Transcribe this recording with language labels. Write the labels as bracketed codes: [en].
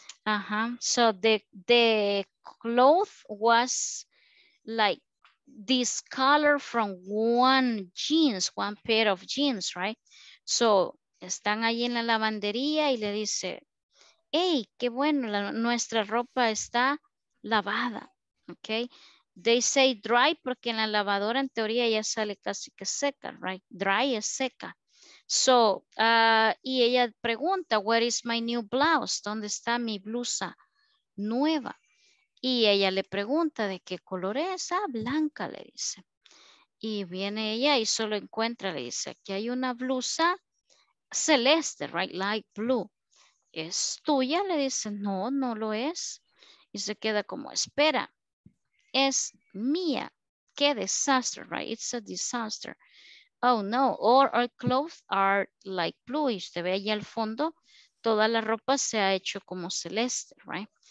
[en] Ajá, so the cloth was like this color from one jeans, one pair of jeans, right? [es] So, están ahí en la lavandería y le dice, hey, qué bueno, la, nuestra ropa está lavada, ok? [en] They say dry [es] porque en la lavadora en teoría ya sale casi que seca, right? Dry es seca. So, y ella pregunta, [en] where is my new blouse? [es] ¿Dónde está mi blusa nueva? Y ella le pregunta, ¿de qué color es? Ah, blanca, le dice. Y viene ella y solo encuentra, le dice, aquí hay una blusa celeste, right? Light blue. ¿Es tuya? Le dice, no, no lo es. Y se queda como, espera, es mía. Qué desastre, [en] right? It's a disaster. Oh, no, all our clothes are like blue. [es] Y usted ve ahí al fondo, toda la ropa se ha hecho como celeste, right?